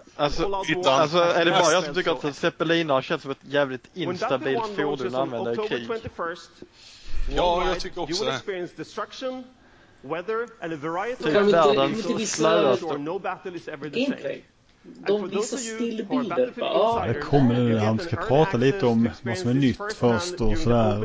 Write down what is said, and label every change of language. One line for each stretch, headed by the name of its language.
Swedish: alltså är det bara jag som tycker att en Zeppelin känns som ett jävligt instabilt fordon att använda i krig? Ja, jag tycker också det.
English: You will experience destruction, weather, and a variety of weather, so that no battle is ever the same.
Swedish: De visar stillbilder. Jag kommer nu, han ska prata lite om vad som är nytt först och sådär.